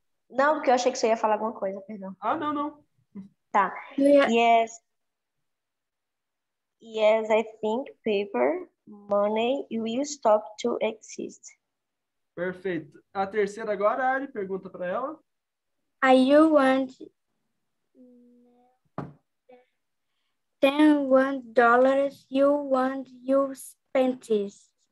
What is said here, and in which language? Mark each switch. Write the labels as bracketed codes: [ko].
[pt] Não, porque eu achei que você ia falar alguma coisa, perdão. Ah, não, não. Tá. Yes. [en] Yes, I think paper money will stop to exist. [pt] Perfeito. A terceira agora, a Ari, pergunta para ela. [en] Are you want $10 you want you spend this?